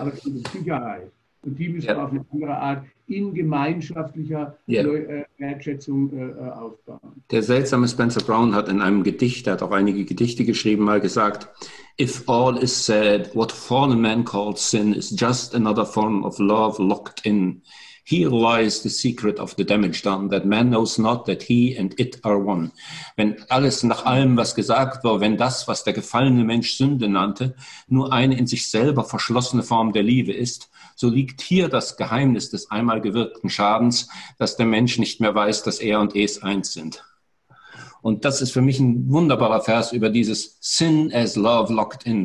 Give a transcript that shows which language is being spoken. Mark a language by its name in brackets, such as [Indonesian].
[German] Aber es gibt Sicherheit. Und die müssen wir auf eine andere Art in gemeinschaftlicher Wertschätzung aufbauen. Der seltsame Spencer Brown hat in einem Gedicht, er hat auch einige Gedichte geschrieben, mal gesagt, [English] if all is said, what fallen man calls sin is just another form of love locked in. Here lies the secret of the damage done, that man knows not that he and it are one. [German] Wenn alles nach allem, was gesagt war, wenn das, was der gefallene Mensch Sünde nannte, nur eine in sich selber verschlossene Form der Liebe ist, so liegt hier das Geheimnis des einmal gewirkten Schadens, dass der Mensch nicht mehr weiß, dass er und es eins sind. Und das ist für mich ein wunderbarer Vers über dieses [English] Sin as Love Locked In.